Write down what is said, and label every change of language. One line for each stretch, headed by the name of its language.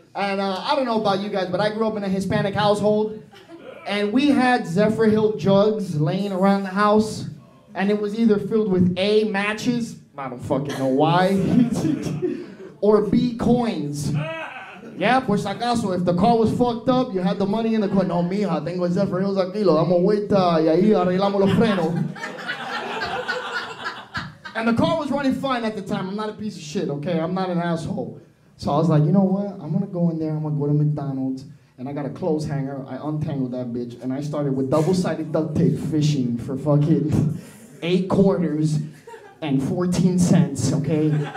English: And I don't know about you guys, but I grew up in a Hispanic household. And we had Zephyr Hill jugs laying around the house. And it was either filled with A, matches. I don't fucking know why. Or B, coins. Yeah, por si acaso, if the car was fucked up, you had the money in the car.
Spanish: No, mija, tengo Zephyr Hills aquí. Lo vamos a vuelta y ahí arreglamos los frenos.
English: And the car was running fine at the time. I'm not a piece of shit, okay? I'm not an asshole. So I was like, you know what? I'm going to go in there. I'm going to go to McDonald's. And I got a clothes hanger. I untangled that bitch. And I started with double-sided duct tape fishing for fucking 8 quarters and 14 cents, okay?